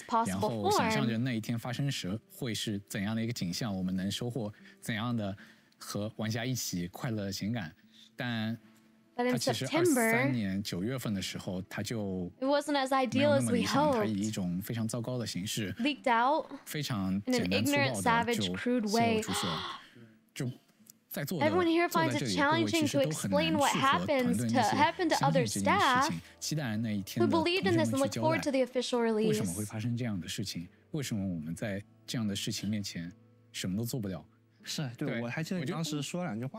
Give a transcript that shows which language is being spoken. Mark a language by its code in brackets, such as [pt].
[zh] 然后想象着那一天发生时会是怎样的一个景象，我们能收获怎样的和玩家一起快乐的情感，但它其实2023年9月份的时候，它就没有那么理想，它以一种非常糟糕的形式 [en] leaked out， [zh] 非常简单粗暴的就泄露出去了。就在座的 [en] ，Everyone here finds it challenging to explain what happens to happen to other staff who believed in this and look forward to the official release。 [zh] 为什么会发生这样的事情？为什么我们在这样的事情面前什么都做不了？是对我还记得你当时说两句话。